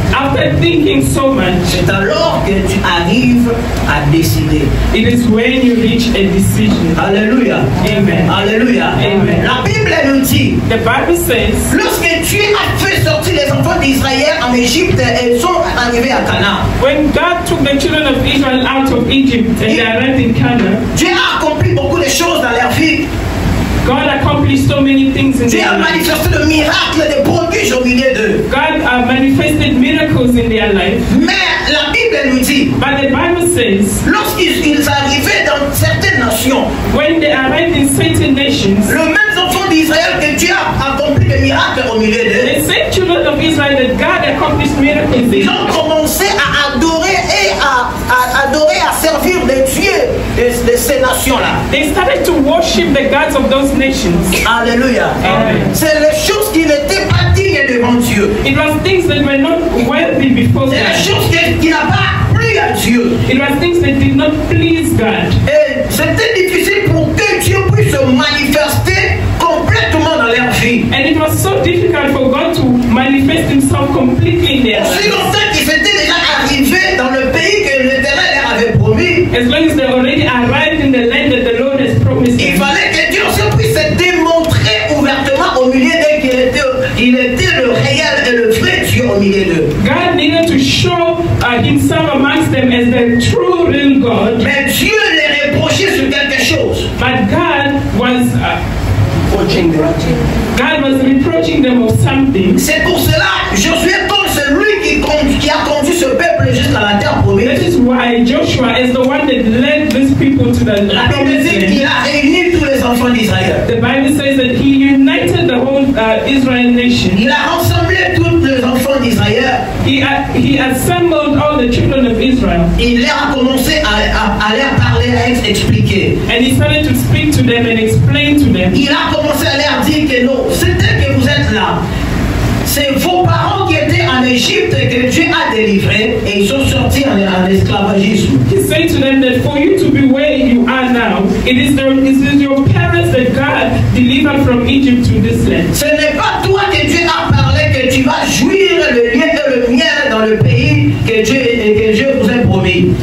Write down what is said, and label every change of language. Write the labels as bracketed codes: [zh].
[en] after thinking so much, [fr] c'est alors que tu arrives à décider. [en] It is when you reach a decision. Alléluia. Amen. Alléluia. Amen. [fr] La Bible nous dit, [en] the Bible says, [fr] lorsque tu as fait sortir les enfants d'Israël en en Égypte, elles sont arrivées à Cana. [en] When God took the children of Israel out of Egypt and they arrived in Cana, Dieu a accompli beaucoup de choses dans leur vie. God accomplished so many things in their life. [fr] Manifesté le miracle des prodiges au milieu d'eux. [en] God manifested miracles in their life. [fr] Mais la Bible nous dit, [en] but the Bible says, [fr] lorsqu'ils arrivaient dans certaines nations, [en] when they arrived in certain nations, [fr] le même enfant d'Israël que Dieu a accompli des miracles au milieu d'eux, [en] the same children of Israel that God accomplished miracles in, [fr] ils ont commencé à adorer et à adorer, à servir des dieux. De ces nations-là. [en] They started to worship the gods of those nations. Alléluia. Amen. [fr] C'est les choses qui n'étaient pas dignes devant Dieu. [en] It was things that were not worthy before God. [fr] C'est les choses qui n'a pas plu à Dieu. [en] It was things that did not please God. [fr] Et c'était difficile pour que Dieu puisse se manifester complètement dans leur vie. [en] And it was so difficult for God to manifest himself completely in their lives. [fr] Aussi longtemps qu'ils étaient déjà arrivés dans le pays que l'Éternel leur avait promis. [en] As long as they already arrived in the land that the Lord has promised. [fr] Il fallait que Dieu se puisse démontrer ouvertement au milieu d'eux qu'il était le réel et le vrai Dieu au milieu d'eux. [en] God needed to show himself amongst them as the true real God. [fr] Mais Dieu les reprochait sur quelque chose. [en] But God was reproaching them. God was reproaching them of something. [fr] C'est pour cela Josué tombe, c'est lui qui a conduit ce peuple jusqu'à la terre promise. [en] That is why Joshua is the one that led these people to the land. [fr] La Bible dit qu'il a réuni tous les enfants d'Israël. [en] The Bible says that he united the whole Israel nation. [fr] Il a rassemblé tous les enfants d'Israël. [en] He assembled all the children of Israel. [fr] Il leur a commencé à leur parler, à expliquer. [en] And he started to speak to them and explain to them. [fr] Il a commencé à leur dire que non, c'est eux que vous êtes là. C'est vos parents qui étaient en Égypte et que Dieu a délivré et ils sont sortis en esclavagisme. [en] He said to them that for you to be where you are now, it is your parents that God delivered from Egypt to this land. [fr] Ce n'est pas toi que Dieu a parlé que tu vas jouir le lien et le miel dans le pays que Dieu vous a promis.